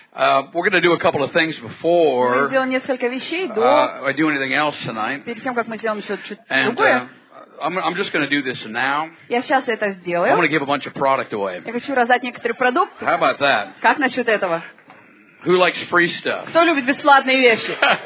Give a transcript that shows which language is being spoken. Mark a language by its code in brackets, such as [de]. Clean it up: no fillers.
[en] We're going to do a couple of things before. [ru] Мы сделаем несколько вещей до. [en] I do anything else tonight. [ru] Перед тем как мы сделаем еще что-то другое. [en] And I'm just going to do this now. [ru] Я сейчас это сделаю. [en] I'm going to give a bunch of product away. [ru] Я хочу раздать некоторые продукты. [en] How about that? [ru] Как насчет этого? [en] Who likes free stuff? [ru] Кто любит бесплатные вещи?